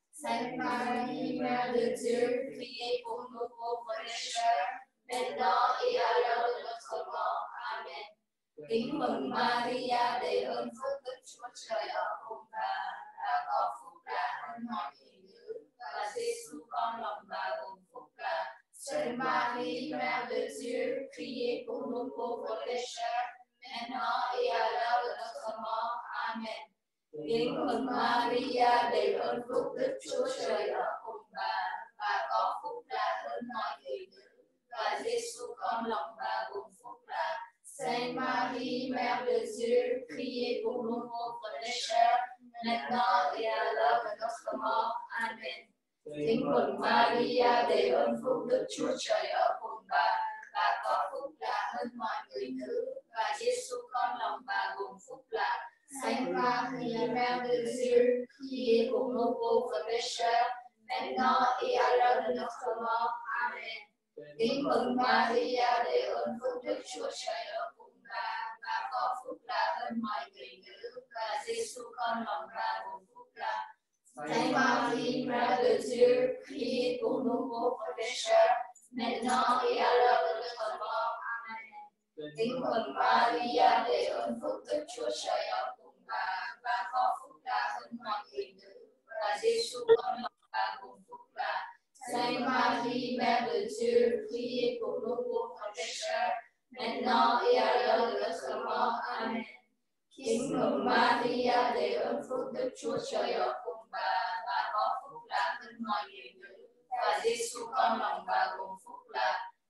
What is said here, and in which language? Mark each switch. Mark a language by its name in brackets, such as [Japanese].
[Vietnamese] Thánh Maria, Mẹ của Chúa, [French] priez pour nous pauvres pécheurs, maintenant et à l'heure de notre mort. Amen. [Vietnamese] Kính mừng Maria, đầy ơn phúc Đức Chúa Trời ở cùng bà, đã có phúc lạ hơn mọi người nữ, và Giêsu con lòng bà cũng phúc lạ. [French] Sainte Marie, Mère de Dieu, priez pour nous pauvres pécheurs, maintenant et à l'heure de notre mort. Amen. [Vietnamese] Kính mừng Maria, đầy ơn phúc Đức Chúa Trời ở cùng bà, và có phúc lạ hơn mọi người nữ, và Giêsu con lòng bà cũng phúc lạ. [French] Sainte Marie, Mère de Dieu, priez pour nous pauvres pécheurs, maintenant et à l'heure de notre mort. Amen. [Vietnamese] Kính mừng Maria, đầy ơn phúc Đức Chúa Trời ở cùng bà, và có phúc lạ hơn mọi người nữ, và Giêsu con lòng bà cũng phúc lạ. Thánh Maria, Mẹ của Chúa, [French] priez pour nous pauvres pécheurs, maintenant et à l'heure de notre mort. Amen. [Vietnamese] Kính mừng Maria, đầy ơn phúc Đức Chúa Trời ở cùng bà, và có phúc lạ hơn mọi người nữ, và Giêsu con lòng bà cũng phúc lạ. [French] Thánh Marie, Mère de Dieu, priez pour nous pauvres pécheurs, maintenant et à l'heure de notre mort. Amen. [Vietnamese] Kính mừng Maria, đầy ơn phúc Đức Chúa Trời ở cùng bà, và có phúc lạ hơn mọi người nữ, và Giêsu con lòng bà cũng phúc lạ. [French] Thánh Marie, Mère de Dieu, priez pour nous pauvres pécheurs, maintenant et à l'heure de notre mort. Amen. [Vietnamese] Kính mừng Maria, đầy ơn phúc Đức Chúa Trời ở cùng bà, và có phúc lạ hơn mọi người nữ, và Giêsu con lòng bà cũng phúc lạ.